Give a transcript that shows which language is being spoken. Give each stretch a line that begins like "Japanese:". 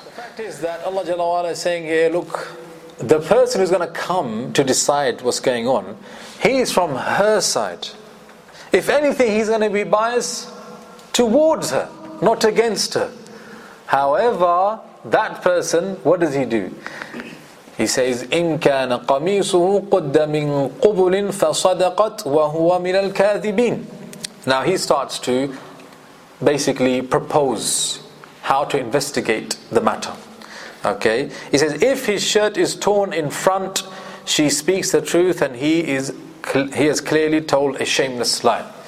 English: The fact is that Allah Jalla wa'ala is saying here, look, the person who's going to come to decide what's going on, he is from her side. If anything, he's going to be biased towards her, not against her. However, that person, what does he do? He says,
Arabic: إِن كَانَ قَمِيصُهُ قُدَّ مِن قُبُلٍ فَصَدَقَتْ وَهُوَ مِنَ الْكَاذِبِينَ.
English: Now he starts to basically propose how to investigate the matter. Okay? He says, if his shirt is torn in front, she speaks the truth and he has clearly told a shameless lie.